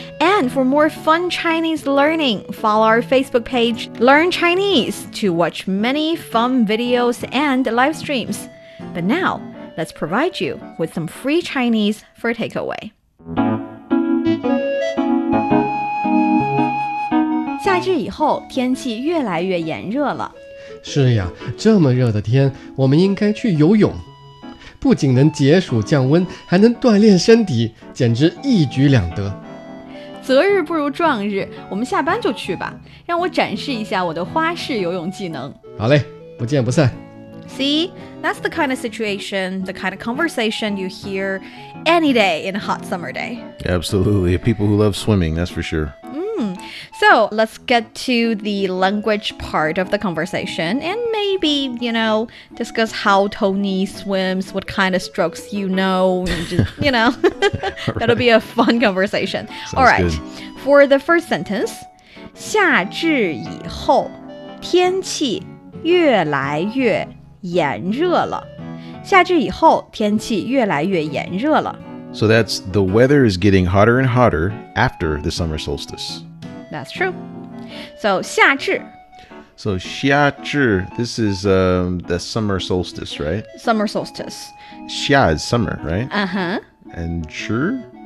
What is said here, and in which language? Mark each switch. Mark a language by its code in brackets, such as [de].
[en] And for more fun Chinese learning, follow our Facebook page, Learn Chinese, to watch many fun videos and live streams. But now, let's provide you with some free Chinese for takeaway. [zh] 夏至以后天气越来越炎热了。是呀，这么热的天，我们应该去游泳，不仅能解暑降温，还能锻炼身体，简直一举两得。择日不如撞日，我们下班就去吧，让我展示一下我的花式游泳技能。好嘞，不见不散。 [en] See, that's the kind of situation, the kind of conversation you hear any day in a hot summer day. Absolutely. People who love swimming, that's for sure. So let's get to the language part of the conversation and maybe, you know, discuss how Tony swims, what kind of strokes you know, just, you know, that'll be a fun conversation. Sounds good. For the first sentence, [zh] 夏至以后天气越来越炎热了。夏至以后天气越来越炎热了。 [en] So that's the weather is getting hotter and hotter after the summer solstice. That's true. So, 夏至. So, 夏至, this is the summer solstice, right? Summer solstice. 夏 is summer, right? Uh-huh. And 至?